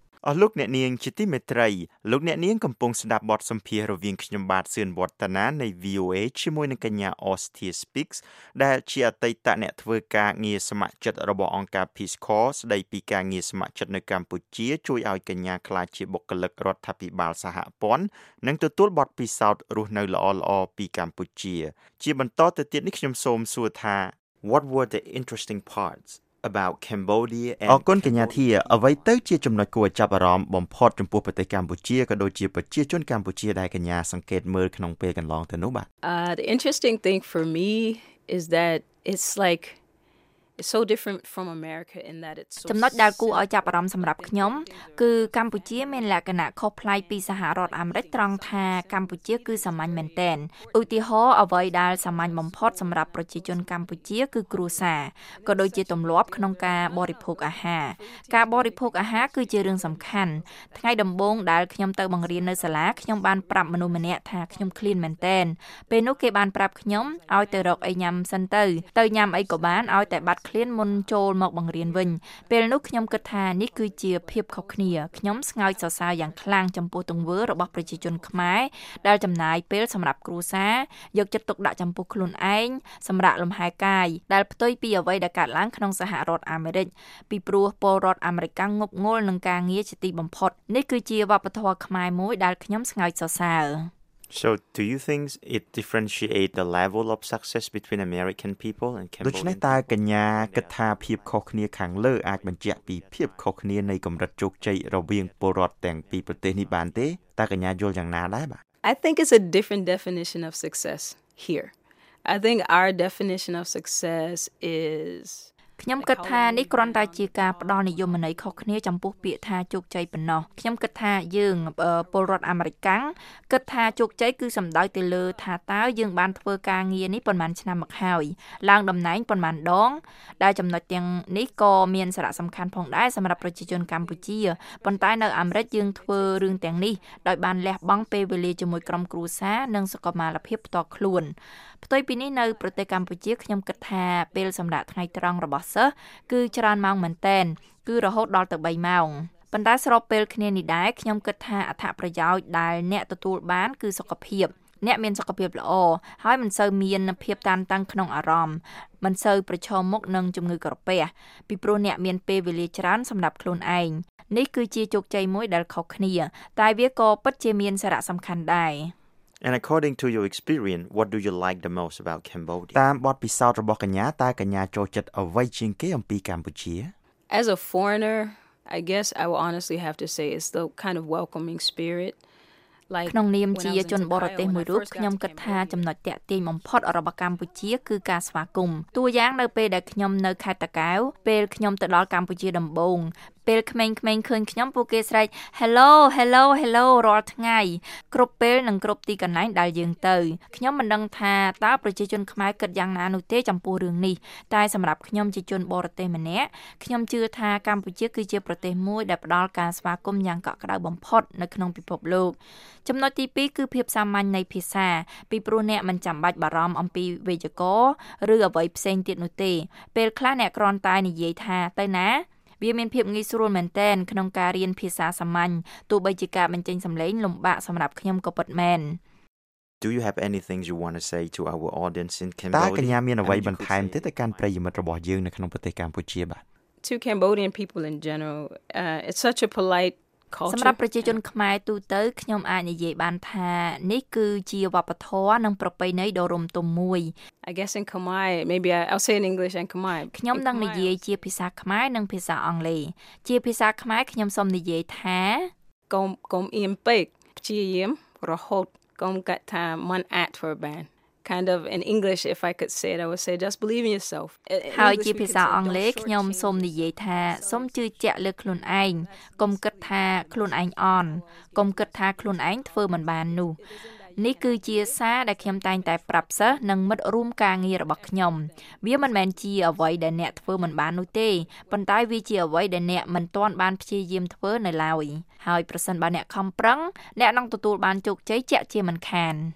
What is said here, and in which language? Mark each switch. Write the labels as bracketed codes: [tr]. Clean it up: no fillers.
[km] អស់លោកអ្នកនាងជាទីមេត្រីលោកអ្នកនាងកំពុងស្ដាប់បទសម្ភាសន៍រវាងខ្ញុំបាទសឿនវឌ្ឍនានៃ VOA ជាមួយនឹងកញ្ញា Austia Speaks ដែលជាអតីតអ្នកធ្វើការងារសមាជិករបស់អង្គការ Peace Corps ស្ដីពីការងារសមាជិកនៅកម្ពុជាជួយឲ្យកញ្ញាក្លាយជាបុគ្គលិករដ្ឋាភិបាលសហព័ន្ធនិងទទួលបទពិសោធន៍រស់នៅល្អល្អពីកម្ពុជាជាបន្តទៅទៀតនេះខ្ញុំសូមសួរថា [en] What were the interesting parts? about Cambodia and [km] អរគុណកញ្ញាធាអ្វីទៅជាចំណុចគួរចាប់អារម្មណ៍បំផុតចំពោះប្រទេសកម្ពុជាក៏ដូចជាប្រជាជនកម្ពុជាដែលកញ្ញាសង្កេតមើលក្នុងពេលកន្លងទៅនោះបាទ [en] The interesting thing for me is that it's so different from America in that it's so [km] ចំណុចដែលគួរឲ្យចាប់អារម្មណ៍សម្រាប់ខ្ញុំគឺកម្ពុជាមានលក្ខណៈខុសប្លែកពីសហរដ្ឋអាមេរិកត្រង់ថាកម្ពុជាគឺសាមញ្ញមែនទែនឧទាហរណ៍អ្វីដែលសាមញ្ញបំផុតសម្រាប់ប្រជាជនកម្ពុជាគឺគ្រួសារក៏ដូចជាទម្លាប់ក្នុងការបរិភោគអាហារ ការបរិភោគអាហារគឺជារឿងសំខាន់ថ្ងៃដំបូងដែលខ្ញុំទៅបង្រៀននៅសាលាខ្ញុំបានប្រាប់មនុស្សម្នាក់ថាខ្ញុំឃ្លានមែនទែនពេលនោះគេបានប្រាប់ខ្ញុំឲ្យទៅរកអីញ៉ាំសិនទៅទៅញ៉ាំអីក៏បានឲ្យតែបាត់ឃ្លានមុនចូលមកបង្រៀនវិញពេលនោះខ្ញុំគិតថានេះគឺជាភាពខុសគ្នាខ្ញុំស្ងើចសរសើរយ៉ាងខ្លាំងចំពោះទង្វើរបស់ប្រជាជនខ្មែរ ដែលចំណាយពេលសម្រាប់គ្រួសារយកចិត្តទុកដាក់ចំពោះខ្លួនឯងសម្រាប់លំហែកាយដែលផ្ទុយពីអ្វីដែលកើតឡើងក្នុងសហរដ្ឋអាមេរិកពីព្រោះពលរដ្ឋអាមេរិកងប់ងល់នឹងការងារជាទីបំផុតនេះគឺជាវប្បធម៌ខ្មែរមួយដែលខ្ញុំស្ងើចសរសើរ [en] So do you think it differentiate the level of success between American people and Cambodian? [km] ដូច្នេះតើកញ្ញាគិតថាភាពខុសគ្នាខាងលើអាចបញ្ជាក់ពីភាពខុសគ្នានៃកម្រិតជោគជ័យរវាងពលរដ្ឋទាំងពីរប្រទេសនេះបានទេ? តើកញ្ញាយល់យ៉ាងណាដែរបាទ? [en] I think it's a different definition of success here. I think our definition of success is [km] ខ្ញុំគិតថានេះគ្រាន់តែជាការផ្ដល់និយមន័យខុសគ្នាចំពោះពាក្យថាជោគជ័យប៉ុណ្ណោះខ្ញុំគិតថាយើងពលរដ្ឋអាមេរិកគិតថាជោគជ័យគឺសំដៅទៅលើថាតើយើងបានធ្វើការងារនេះប៉ុន្មានឆ្នាំមកហើយឡើងតំណែងប៉ុន្មានដងដែលចំណុចទាំងនេះក៏មានសារៈសំខាន់ផងដែរសម្រាប់ប្រជាជនកម្ពុជាប៉ុន្តែនៅអាមេរិកយើងធ្វើរឿងទាំងនេះដោយបានលះបង់ពេលវេលាជាមួយក្រុមគ្រួសារនិងសុខភាពផ្ទាល់ខ្លួន ផ្ទុយពីនេះនៅប្រទេសកម្ពុជាខ្ញុំគិតថាពេលសម្រាប់ថ្ងៃត្រង់របស់សិស្សគឺច្រើនម៉ោងមែនទែនគឺរហូតដល់ទៅ3ម៉ោងប៉ុន្តែស្របពេលគ្នានេះដែរខ្ញុំគិតថាអត្ថប្រយោជន៍ដែលអ្នកទទួលបានគឺសុខភាពអ្នកមានសុខភាពល្អហើយមិនសូវមានភាពតានតឹងក្នុងអារម្មណ៍មិនសូវប្រឈមមុខនឹងជំងឺក្រពះពីព្រោះអ្នកមានពេលវេលាច្រើនសម្រាប់ខ្លួនឯងនេះគឺជាជោគជ័យមួយដែលខុសគ្នាតែវាក៏ពិតជាមានសារៈសំខាន់ដែរ [en] And according to your experience, what do you like the most about Cambodia? [km] តាមបទពិសោធន៍របស់កញ្ញាតើកញ្ញាចូលចិត្តអ្វីជាងគេអំពីកម្ពុជា? [en] As a foreigner, I guess I will honestly have to say it's the kind of welcoming spirit. [km] ក្នុងនាមជាជនបរទេសមួយរូបខ្ញុំគិតថាចំណុចទាក់ទាញបំផុតរបស់កម្ពុជាគឺការស្វាគមន៍តួយ៉ាងនៅពេលដែលខ្ញុំនៅខេត្តតាកែវពេលខ្ញុំទៅដល់កម្ពុជាដំបូងពេលក្មេងៗឃើញខ្ញុំពួកគេស្រែក Hello Hello Hello រាល់ថ្ងៃគ្រប់ពេលនិងគ្រប់ទីកន្លែងដែលយើងទៅខ្ញុំមិនដឹងថាតើប្រជាជនខ្មែរគិតយ៉ាងណានោះទេចំពោះរឿងនេះតែសម្រាប់ខ្ញុំជាជនបរទេសម្នាក់ខ្ញុំជឿថាកម្ពុជាគឺជាប្រទេសមួយដែលផ្ដល់ការស្វាគមន៍យ៉ាងកក់ក្ដៅបំផុតនៅក្នុងពិភពលោក ចំណុចទី2គឺភាពសាមញ្ញនៃភាសាពីព្រោះអ្នកមិនចាំបាច់បារម្ភអំពីវេយ្យាករណ៍ឬអ្វីផ្សេងទៀតនោះទេពេលខ្លះអ្នកគ្រាន់តែនិយាយថាទៅណាវាមានភាពងាយស្រួលមែនទែនក្នុងការរៀនភាសាសាមញ្ញទោះបីជាការបញ្ចេញសំឡេងលំបាកសម្រាប់ខ្ញុំក៏ពិតមែន [en] Do you have anything you want to say to our audience in Cambodia? [km] តើកញ្ញាមានអ្វីបន្ថែមទេទៅកាន់ប្រិយមិត្តរបស់យើងនៅក្នុងប្រទេសកម្ពុជាបាទ [en] To Cambodian people in general it's such a polite [km] សម្រាប់ប្រជាជនខ្មែរទូទៅខ្ញុំអាចនិយាយបានថានេះគឺជាវប្បធម៌និងប្រពៃណីដ៏រំទុំមួយ [en] I guess in Khmer maybe I'll say in English and Khmer [km] ខ្ញុំនឹងនិយាយជាភាសាខ្មែរនិងភាសាអង់គ្លេសជាភាសាខ្មែរខ្ញុំសូមនិយាយថា កុំអៀមពេកព្យាយាមរហូតកុំកាត់ថាមិនអាចធ្វើបាន [en] kind of in English if I could say it I would say just believe in yourself. [km] ហើយជាភាសាអង់គ្លេសខ្ញុំសូមនិយាយថាសូមជឿជាក់លើខ្លួនឯងកុំគិតថាខ្លួនឯងអន់កុំគិតថាខ្លួនឯងធ្វើមិនបាននោះនេះគឺជាសារដែលខ្ញុំតែងតែប្រាប់សិស្សនិងមិត្តរួមការងាររបស់ខ្ញុំវាមិនមែនជាអ្វីដែលអ្នកធ្វើមិនបាននោះទេប៉ុន្តែវាជាអ្វីដែលអ្នកមិនទាន់បានព្យាយាមធ្វើនៅឡើយហើយប្រសិនបើអ្នកខំប្រឹងអ្នកនឹងទទួលបានជោគជ័យជាក់ជាមិនខាន